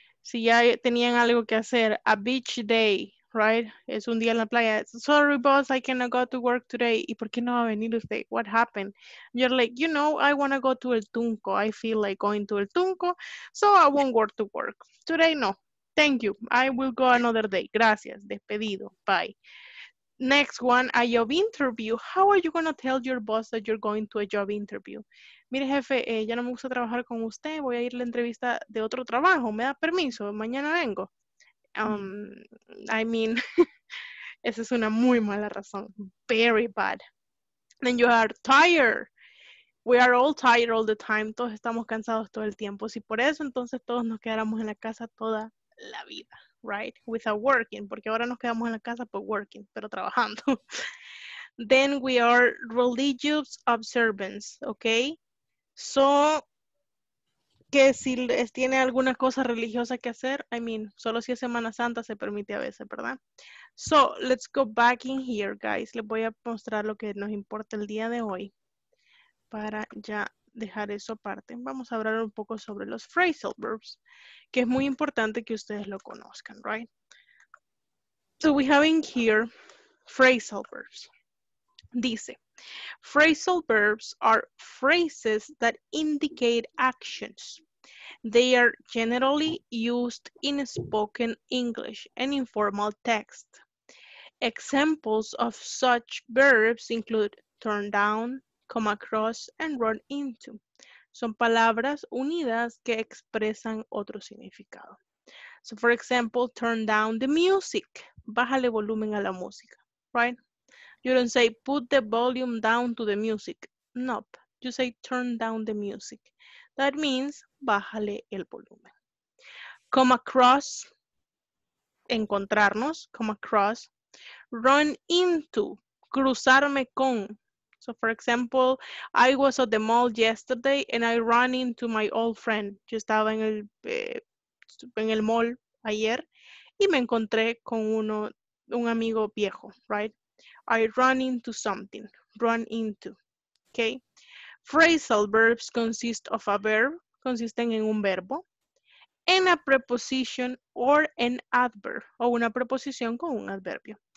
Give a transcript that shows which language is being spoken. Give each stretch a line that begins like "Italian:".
Spanish: Si ya tenían algo que hacer,
English: a beach day, right?
Spanish: Es un día en la playa.
English: Sorry, boss, I cannot go to work today.
Spanish: ¿Y por qué no va a venir usted?
English: What happened? You're like, you know, I want to go to El Tunco. I feel like going to El Tunco, so I won't go to work. Today, no. Thank you. I will go another day.
Spanish: Gracias. Despedido.
English: Bye. Next one, a job interview. How are you going to tell your boss that you're going to a job interview?
Spanish: Mire, jefe, ya no me gusta trabajar con usted. Voy a ir a la entrevista de otro trabajo. ¿Me da permiso? Mañana vengo. I mean, esa es una muy mala razón.
English: Very bad. Then you are tired. We are all tired all the time.
Spanish: Todos estamos cansados todo el tiempo. Si por eso, entonces todos nos quedáramos en la casa toda la vida, right?
English: Without working.
Spanish: Porque ahora nos quedamos en la casa pues working, pero trabajando.
English: Then we are religious observance, okay?
Spanish: So, que si tiene alguna cosa religiosa que hacer, I mean, solo si es Semana Santa se permite a veces, ¿verdad?
English: So, let's go back in here, guys.
Spanish: Les voy a mostrar lo que nos importa el día de hoy. Para ya dejar eso aparte, vamos a hablar un poco sobre los phrasal verbs, que es muy importante que ustedes lo conozcan, right?
English: So, we have in here phrasal verbs. Dice, phrasal verbs are phrases that indicate actions. They are generally used in spoken English and informal text. Examples of such verbs include turn down, come across, and run into.
Spanish: Son palabras unidas que expresan otro significado.
English: So, for example, turn down the music.
Spanish: Bájale volumen a la música,
English: right? You don't say, put the volume down to the music. Nope. You say, turn down the music. That means,
Spanish: bájale el volumen.
English: Come across, encontrarnos, come across. Run into,
Spanish: cruzarme con.
English: So, for example, I was at the mall yesterday and I ran into my old friend.
Spanish: Yo estaba en el mall ayer y me encontré con un amigo viejo, right?
English: I run into something, run into, okay? Phrasal verbs consist of a verb,
Spanish: consisten en un verbo,
English: en a preposition or an adverb,
Spanish: o una preposición con un adverbio.